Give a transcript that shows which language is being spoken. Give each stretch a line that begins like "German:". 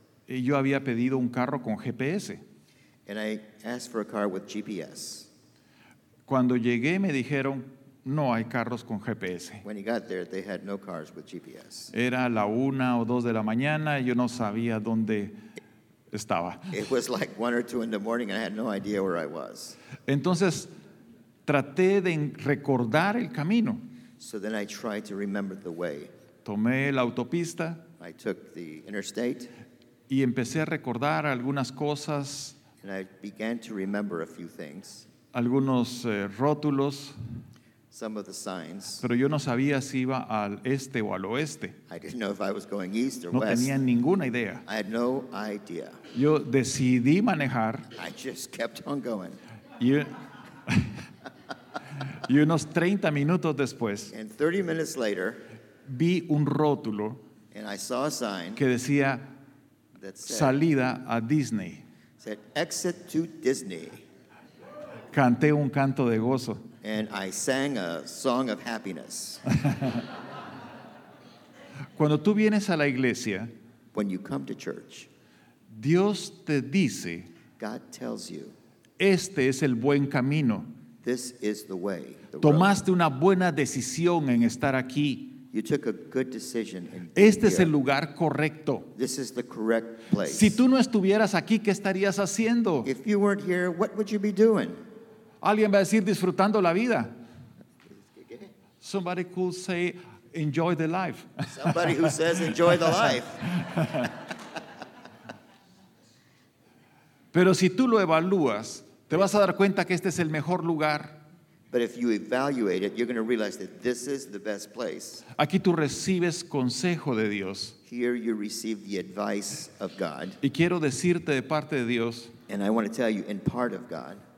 Spanish: Y yo había pedido un carro con GPS.
English: And I asked for a car with GPS.
Spanish: Cuando llegué me dijeron, no hay carros con GPS.
English: When he got there, they had no cars with GPS.
Spanish: Era la una o dos de la mañana y yo no sabía dónde estaba.
English: It was like one or two in the morning and I had no idea where I was.
Spanish: Entonces, traté de recordar el camino.
English: So then I tried to remember the way.
Spanish: Tomé la autopista.
English: I took the interstate.
Spanish: Y empecé a recordar algunas cosas.
English: And I began to remember a few things.
Spanish: Algunos rótulos.
English: Some of the signs.
Spanish: Pero yo no sabía si iba al este o al oeste.
English: I didn't know if I was going east or
Spanish: no
English: west.
Spanish: Tenía ninguna idea.
English: I had no idea.
Spanish: Yo decidí manejar.
English: I just kept on going.
Spanish: Y unos 30 minutos después,
English: and 30 minutes later,
Spanish: vi un rótulo
English: and I saw a sign
Spanish: que decía
English: that said,
Spanish: salida a Disney.
English: Said, exit to Disney.
Spanish: Canté un canto de gozo.
English: And I sang a song of happiness.
Spanish: Cuando tú vienes a la iglesia,
English: when you come to church,
Spanish: Dios te dice,
English: God tells you,
Spanish: este es el buen camino.
English: This is the way, the
Spanish: tomaste
English: road.
Spanish: Una buena decisión en estar aquí.
English: You took a good decision in
Spanish: este Es el lugar correcto.
English: This is the correct place.
Spanish: Si tú no estuvieras aquí, ¿qué estarías haciendo?
English: If you weren't here, what would you be doing?
Spanish: Alguien va a decir disfrutando la vida.
English: Somebody could say enjoy the life. Somebody who says enjoy the life.
Spanish: Pero si tú lo evalúas, te vas a dar cuenta que este es el mejor lugar.
English: But if you evaluate it, you're going to realize that this is the best place.
Spanish: Aquí tú recibes consejo de Dios.
English: Here you receive the advice of God.
Spanish: Y quiero decirte de parte de Dios.
English: And I want to tell you in part of God.